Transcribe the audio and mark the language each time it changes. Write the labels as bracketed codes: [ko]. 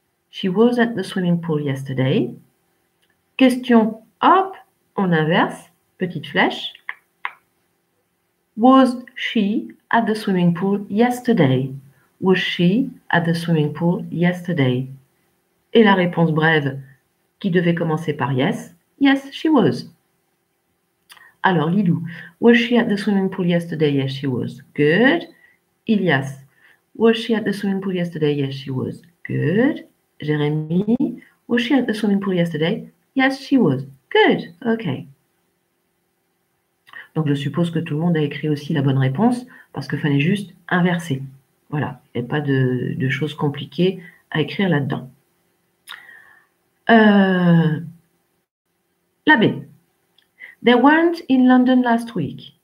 [en] She was at the swimming pool yesterday. [fr] Question, hop, en inverse, petite flèche. [en] Was she at the swimming pool yesterday? Was she at the swimming pool yesterday? [fr] Et la réponse brève, qui devait commencer par [en] yes, yes, she was. [fr] Alors, [en] Lilou, was she at the swimming pool yesterday? Yes, she was. Good. Ilias, was she at the swimming pool yesterday? Yes, she was. Good. Jérémy, was she at the swimming pool yesterday? Yes, she was. Good. OK. [fr] Donc, je suppose que tout le monde a écrit aussi la bonne réponse, parce qu'il fallait juste inverser. Voilà, il n'y a pas de choses compliquées à écrire là-dedans. La B. [en] They weren't in London last week.